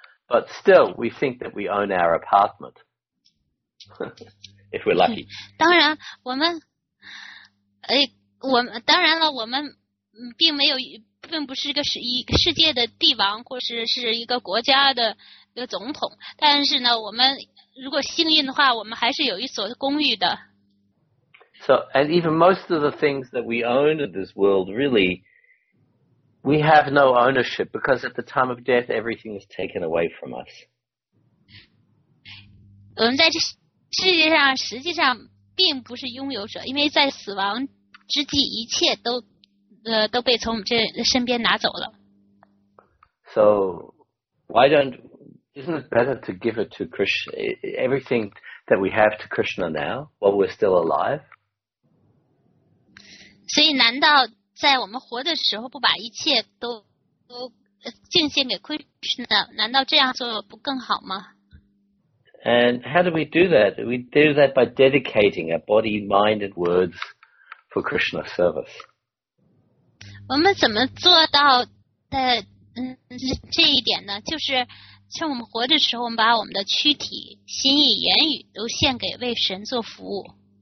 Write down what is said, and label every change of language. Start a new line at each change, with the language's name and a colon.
English: But still, we think that we own our apartment. If we're lucky.
Chinese: 当然，我们，我们当然了，我们并没有，并不是一个世界的帝王，或是一个国家的一个总统。但是呢，我们如果幸运的话，我们还是有一所公寓的。
English: So, and even most of the things that we own in this world, really, we have no ownership because at the time of death, everything is taken away from us.
Chinese: 我们在这世界上实际上并不是拥有者，因为在死亡之际，一切都被从我们这身边拿走了。
English: So why don't, isn't it better to give it to Krishna, everything that we have to Krishna now, while we're still alive?
Chinese: 所以难道在我们活的时候不把一切都敬献给 Krishna, 难道这样做不更好吗?
English: And how do we do that? We do that by dedicating our body, mind, and words for Krishna service.
Chinese: 我们怎么做到的、这一点呢？就是像我们活的时候，我们把我们的躯体、心意、言语都献给为神做服务。